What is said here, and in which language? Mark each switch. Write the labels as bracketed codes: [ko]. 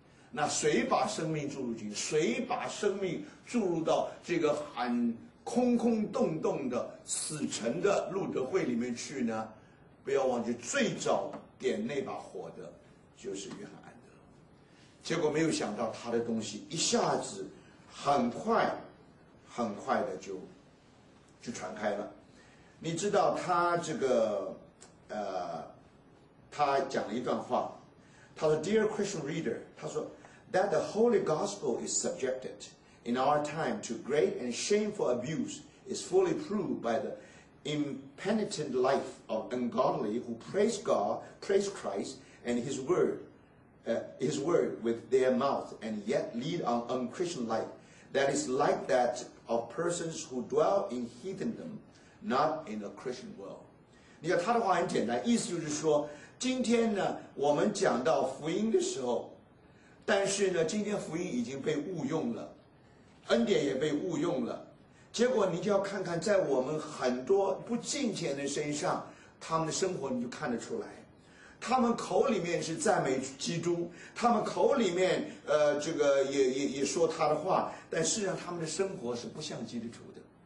[zh] 那谁把生命注入进去？谁把生命注入到这个很空空洞洞的死沉的路德会里面去呢？不要忘记，最早点那把火的就是约翰安德。结果没有想到他的东西一下子很快很快的就传开了。你知道他这个他讲了一段话，他说 [en] Dear Christian Reader, 他说That the Holy Gospel is subjected in our time to great and shameful abuse is fully proved by the impenitent life of ungodly who praise God, praise Christ, and His Word with their mouth and yet lead an unchristian life that is like that of persons who dwell in heathendom, not in a Christian world. [zh] 你看他的话很简单，意思就是说，今天呢，我们讲到福音的时候，但是呢，今天福音已经被误用了，恩典也被误用了，结果你就要看看在我们很多不敬虔的身上，他们的生活你就看得出来，他们口里面是赞美基督，他们口里面这个也说他的话，但事实上他们的生活是不像基督徒的。